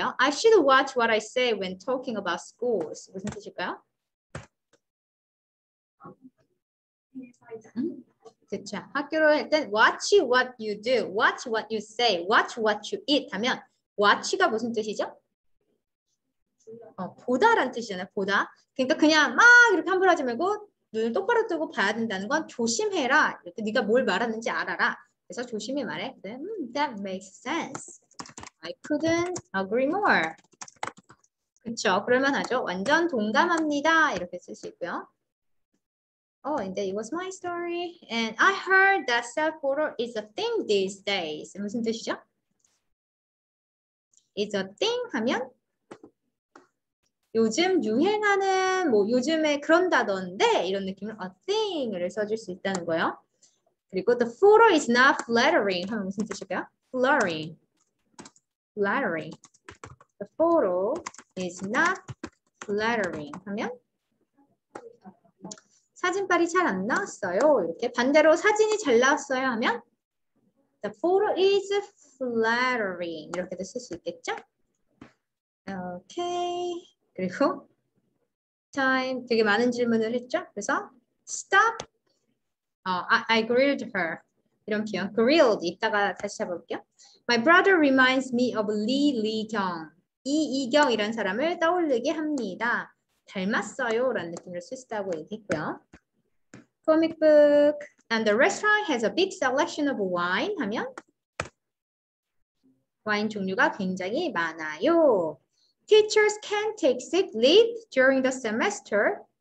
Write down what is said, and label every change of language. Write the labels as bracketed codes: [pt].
[en] I should watch what I say when talking about schools. [ko] 무슨 뜻일까요? 그렇죠. 학교로 할 땐 [en] watch what you do, watch what you say, watch what you eat [ko] 하면 watch가 무슨 뜻이죠? 보다라는 뜻이잖아요. 보다. 그러니까 그냥 막 이렇게 함부로 하지 말고 눈을 똑바로 뜨고 봐야 된다는 건 조심해라. 이렇게 네가 뭘 말하는지 알아라. 그래서 조심히 말해. [en] Then, that makes sense. I couldn't agree more. [ko] 그렇죠. 그러면 하죠. 완전 동감합니다. 이렇게 쓸 수 있고요. [en] Oh, and it was my story. And I heard that self-photo is a thing these days. [ko] 무슨 뜻이죠? [en] It's a thing [ko] 하면 요즘 유행하는 뭐 요즘에 그런다던데 이런 느낌을 a thing을 써줄 수 있다는 거예요. 그리고 [en] the photo is not flattering [ko] 하면 무슨 뜻일까요? [en] Flattering. Flattering. The photo is not flattering [ko] 하면 사진빨이 잘 안 나왔어요. 이렇게 반대로 사진이 잘 나왔어요 하면 [en] The photo is flattering. [ko] 이렇게도 쓸 수 있겠죠? 오케이. 그리고 time 되게 많은 질문을 했죠? 그래서 [en] stop. I grilled her. [ko] 이런 표현. [en] Grilled. [ko] 이따가 다시 해볼게요. [en] My brother reminds me of Lee Lee-kyung. [ko] 이이경이라는 사람을 떠올리게 합니다. 닮았어요 라는 느낌으로 쓸 수 있다고 얘기했고요. [en] Comic book. And the restaurant has a big selection of wine [ko] 하면 와인 종류가 굉장히 많아요. [en] Teachers can take sick leave during the semester.